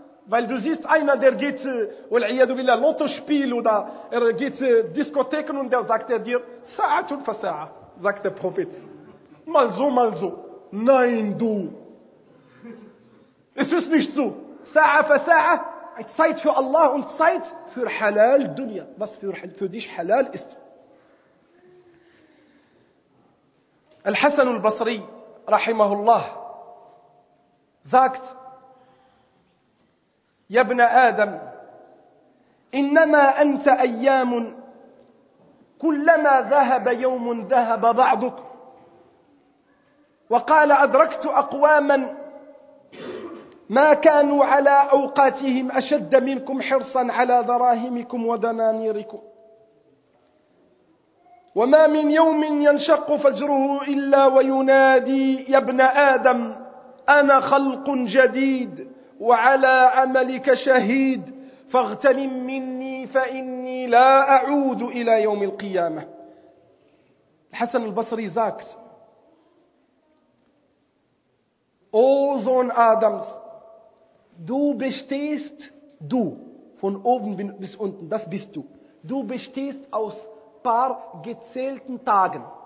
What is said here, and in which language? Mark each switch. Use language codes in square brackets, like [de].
[de] Weil du siehst, einer, der geht, [ar] wal'iyadu billah, [de] Lotto spiel oder er geht Diskotheken und der sagt er dir, [ar] Sa'atun fasa'ah. [de] Sagt der Prophet. Mal so, mal so. Nein, du. Es ist nicht so. [ar] Sa'a fa sa'a. [de] Zeit für Allah und Zeit für Halal Dunya. Was für dich Halal ist. [ar] Al-Hasan al-Basri, rahimahullah, [de] sagt, [ar] Yabna Adam, innama anta ayyamun, كلما ذهب يوم ذهب بعضك وقال أدركت أقواما ما كانوا على أوقاتهم أشد منكم حرصا على دراهمكم ودنانيركم وما من يوم ينشق فجره إلا وينادي يا ابن آدم أنا خلق جديد وعلى عملك شهيد فاغتنم مني فإني لا أعود إلى يوم القيامة. [de] الحسن البصري sagt: O Sohn Adams, du bestehst, du, von oben bis unten, das bist du. Du bestehst aus paar gezählten Tagen.